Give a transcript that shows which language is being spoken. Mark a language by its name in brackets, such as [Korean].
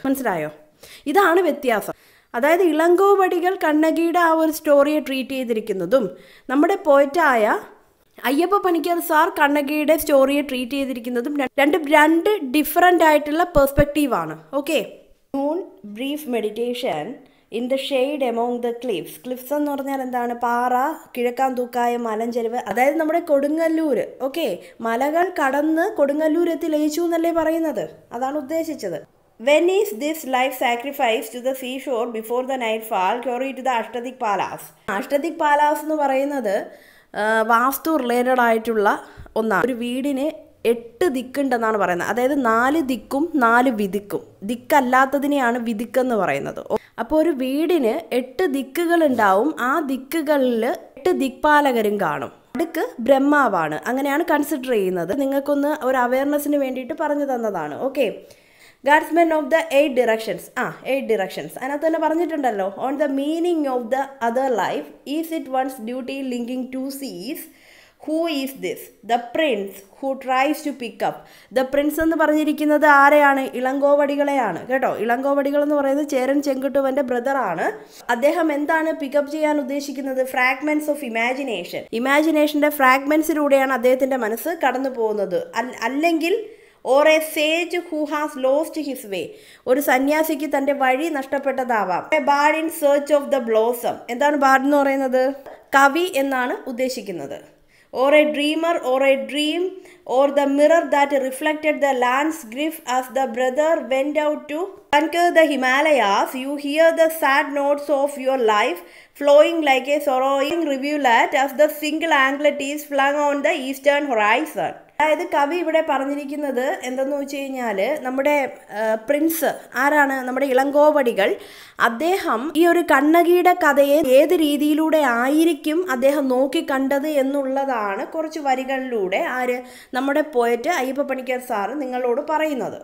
[Malayalam] മനസ്സിലായോ, ഇതാണ് വ്യത്യാസം. അതായത് ഇളങ്കോവടികൾ കണ്ണകിയുടെ ആ ഒരു സ്റ്റോറിയെ ട്രീറ്റ് ചെയ്തിരിക്കുന്നതും നമ്മുടെ പോയിറ്റായ അയ്യപ്പ പണിക്കർ സാർ കണ്ണകിയുടെ സ്റ്റോറിയെ ട്രീറ്റ് ചെയ്തിരിക്കുന്നതും രണ്ട് ഡിഫറൻ്റ് ആയിട്ടുള്ള പെർസ്പെക്റ്റീവാണ്. [English] Okay, moon brief meditation in the shade among the cliffs. [Malayalam] Cliffs എന്ന് പറഞ്ഞാൽ എന്താണ്, പാറ, കിഴക്കാൻ തൂക്കായ മലഞ്ചെരിവ്, അതായത് നമ്മുടെ കൊടുങ്ങല്ലൂർ. ഓക്കെ, മലകൾ കടന്ന് കൊടുങ്ങല്ലൂർ എത്തി ലയിച്ചു എന്നല്ലേ പറയുന്നത്, അതാണ് ഉദ്ദേശിച്ചത്. [English] When is this life sacrificed to the seashore before the nightfall, quarry to the Ashtadik Palace? [Malayalam] Ashtadik Palace എന്ന് പറയുന്നത് വാസ്തു റിലേറ്റഡ് ആയിട്ടുള്ള ഒന്നാണ്. ഒരു വീടിന് എട്ട് ദിക്കുണ്ടെന്നാണ് പറയുന്നത്, അതായത് നാല് ദിക്കും നാല് വിധിക്കും, ദിക്കല്ലാത്തതിനെയാണ് വിധിക്കെന്ന് പറയുന്നത്. അപ്പോൾ ഒരു വീടിന് എട്ട് ദിക്കുകൾ ഉണ്ടാവും, ആ ദിക്കുകളിൽ എട്ട് ദിക്പാലകരും കാണും, അടുക്ക് ബ്രഹ്മാവാണ്, അങ്ങനെയാണ് കൺസിഡർ ചെയ്യുന്നത്. നിങ്ങൾക്കൊന്ന് ഒരു അവയർനെസ്സിന് വേണ്ടിയിട്ട് പറഞ്ഞു തന്നതാണ്. Okay, [English] Guardsmen of the eight directions. [Malayalam] ആ എയ്റ്റ് ഡിറക്ഷൻസ് അതിനകത്ത് തന്നെ പറഞ്ഞിട്ടുണ്ടല്ലോ. [English] On the meaning of the other life is it one's duty linking to seas. Who is this? The prince who tries to pick up. [Malayalam] The prince എന്ന് പറഞ്ഞിരിക്കുന്നത് ആരെയാണ്? ഇളങ്കോവടികളെയാണ് കേട്ടോ. ഇളങ്കോവടികൾ എന്ന് പറയുന്നത് ചേരൻ ചെങ്കുട്ടുവന്റെ ബ്രദർ ആണ്. അദ്ദേഹം എന്താണ് പിക്കപ്പ് ചെയ്യാൻ ഉദ്ദേശിക്കുന്നത്? [English] Fragments of imagination. [Malayalam] ഇമാജിനേഷന്റെ ഫ്രാഗ്മെന്റ്സിലൂടെയാണ് അദ്ദേഹത്തിന്റെ മനസ്സ് കടന്നു പോകുന്നത്. [English] അല്ലെങ്കിൽ or a sage who has lost his way. [Malayalam] ഒരു സന്യാസിക്ക് തന്റെ വഴി നഷ്ടപ്പെട്ടതാവാം. [English] A bard in search of the blossom. [Malayalam] എന്താണ് ബാർഡ് എന്ന് പറയുന്നത്? കവി എന്നാണ് ഉദ്ദേശിക്കുന്നത്. [English] Or a dreamer, or a dream, or the mirror that reflected the land's grief as the brother went out to conquer the Himalayas. You hear the sad notes of your life flowing like a sorrowing rivulet as the single anklet is flung on the eastern horizon. [Malayalam] അതായത് കവി ഇവിടെ പറഞ്ഞിരിക്കുന്നത് എന്തെന്ന് വെച്ച് കഴിഞ്ഞാൽ, നമ്മുടെ Prince ആരാണ്? നമ്മുടെ ഇളങ്കോവടികൾ. അദ്ദേഹം ഈ ഒരു കണ്ണകിയുടെ കഥയെ ഏത് രീതിയിലൂടെ ആയിരിക്കും അദ്ദേഹം നോക്കിക്കണ്ടത് എന്നുള്ളതാണ് കുറച്ച് വരികളിലൂടെ ആര്, നമ്മുടെ പോയറ്റ് അയ്യപ്പ പണിക്കർ സാറ് നിങ്ങളോട് പറയുന്നത്.